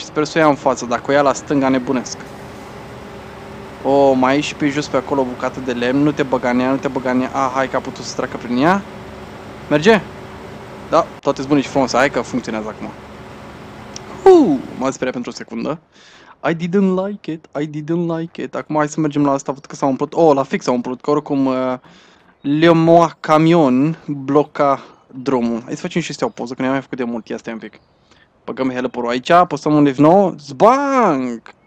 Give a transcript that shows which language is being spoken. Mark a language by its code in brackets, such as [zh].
[ro] Sper să o ia în față, dacă o ia la stânga, nebunesc. O, mai e și pe jos pe acolo o bucată de lemn. Nu te băga în ea, nu te băga în ea. Ah, hai că a putut să treacă prin ea. Merge? Da, toate sunt bune și frumos. Hai că funcționează acum. M-ați speriat pentru o secundă. [en] I didn't like it, I didn't like it. [ro] Acum hai să mergem la asta, văd că s-a umplut. Oh, la fix s-a umplut, că oricum Le Moi Camion bloca drumul. Hai să facem și astea o poză, că ne-am mai făcut de mult, ia stai un pic. Băgăm helper-ul aici, apăsăm un lift nou, zbang!